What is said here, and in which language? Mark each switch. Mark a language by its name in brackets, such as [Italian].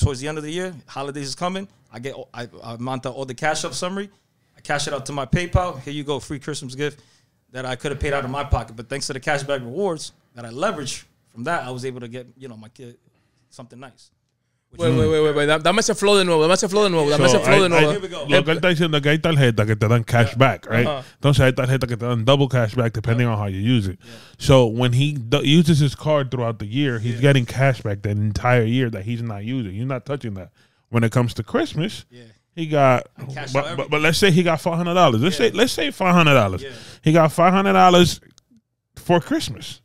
[English] Towards the end of the year, holidays is coming. I mount all the cash up summary. I cash it out to my PayPal. Here you go, free Christmas gift that I could have paid out of my pocket. But thanks to the cashback rewards that I leveraged from that, I was able to get, you know, my kid something nice. Wait. That must have flowed in well. Here we go. [Spanish] Lo que él está diciendo es que hay tarjetas que te dan cash back, [English] right? Uh-huh. [Spanish] Entonces hay tarjetas que te dan [English] double cash back depending on how you use it. Yeah. So when he uses his card throughout the year, he's getting cash back the entire year that he's not using. He's not touching that. When it comes to Christmas, he got, but let's say he got $500. Let's say $500. Yeah. He got $500 for Christmas.